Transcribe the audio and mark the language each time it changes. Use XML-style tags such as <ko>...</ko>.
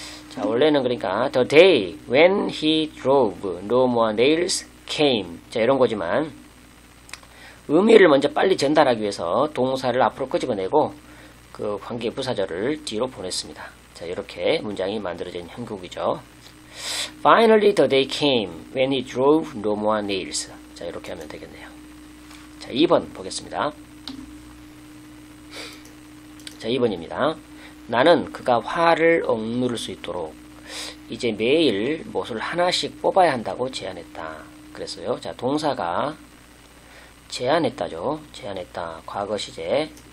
<ko>자, 원래는 그러니까</ko> <en>the day when he drove no more nails came.</en> <ko>자, 이런 거지만 의미를 먼저 빨리 전달하기 위해서 동사를 앞으로 끄집어내고 그 관계부사절을 뒤로 보냈습니다. 자, 이렇게 문장이 만들어진 형국이죠.</ko> <en>Finally, the day came when he drove no more nails.</en> <ko>자, 이렇게 하면 되겠네요. 자, 2번 보겠습니다. 자, 2번입니다. 나는 그가 화를 억누를 수 있도록 이제 매일 못을 하나씩 뽑아야 한다고 제안했다. 그랬어요. 자, 동사가 제안했다죠. 제안했다. 과거 시제.</ko>